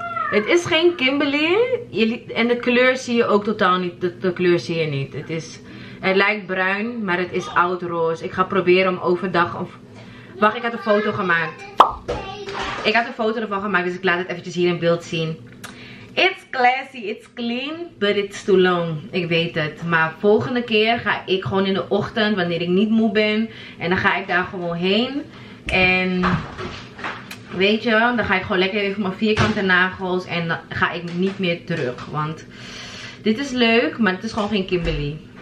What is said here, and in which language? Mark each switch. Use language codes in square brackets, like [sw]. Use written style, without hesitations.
[nl] Het is geen Kimberly en de kleur zie je ook totaal niet. De kleur zie je niet. Het lijkt bruin, maar het is oud roze. Ik ga proberen om overdag of... Wacht, ik had een foto gemaakt. Ik had een foto ervan gemaakt, dus ik laat het eventjes hier in beeld zien. [en] It's classy, it's clean, but it's too long. [nl] Ik weet het. Maar volgende keer ga ik gewoon in de ochtend, wanneer ik niet moe ben. En dan ga ik daar gewoon heen. En weet je, dan ga ik gewoon lekker even mijn vierkante nagels. En dan ga ik niet meer terug. Want dit is leuk, maar het is gewoon geen Kimberly.